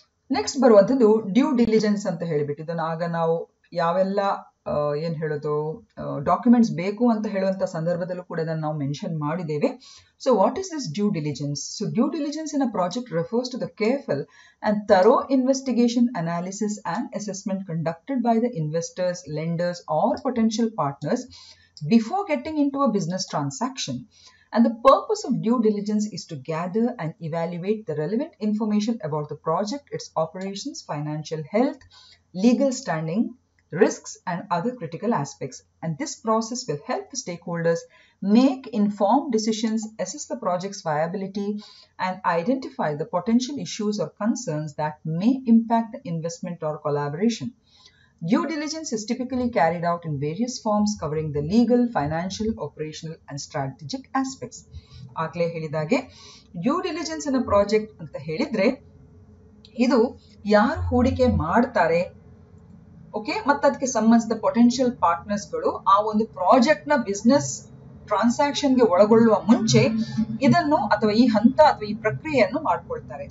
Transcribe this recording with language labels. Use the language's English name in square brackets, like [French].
[Kannada] Next ಬರುವಂಥದ್ದು due diligence ಅಂತ ಹೇಳಿಬಿಟ್ಟು, ಇದನ್ನು ಆಗ ನಾವು ಯಾವೆಲ್ಲ ಏನ್ ಹೇಳೋದು ಡಾಕ್ಯುಮೆಂಟ್ಸ್ ಬೇಕು ಅಂತ ಹೇಳುವಂತ ಸಂದರ್ಭದಲ್ಲೂ ಕೂಡ ಅದನ್ನು ನಾವು ಮೆನ್ಷನ್ ಮಾಡಿದ್ದೇವೆ. [English] So what is this due diligence? So due diligence in a project refers to the careful and thorough investigation analysis and assessment conducted by the investors, lenders or potential partners before getting into a business transaction. And the purpose of due diligence is to gather and evaluate the relevant information about the project, its operations, financial health, legal standing, risks and other critical aspects, and this process will help the stakeholders make informed decisions, assess the project's viability and identify the potential issues or concerns that may impact the investment or collaboration. Due diligence is typically carried out in various forms covering the legal, financial, operational and strategic aspects. [Kannada] Aagle helidage due diligence [English] in a project [Kannada] anta helidre idu yaar hoodike maartare okay, ಮತ್ತೆ ಅದಕ್ಕೆ ಸಂಬಂಧಿಸಿದ potential ಪಾರ್ಟ್ನರ್ಸ್ಗಳು ಆ ಒಂದು project ನ business transaction ಗೆ ಒಳಗೊಳ್ಳುವ ಮುಂಚೆ ಇದನ್ನು ಅಥವಾ ಈ ಹಂತ ಅಥವಾ ಈ ಪ್ರಕ್ರಿಯೆಯನ್ನು ಮಾಡ್ಕೊಳ್ತಾರೆ.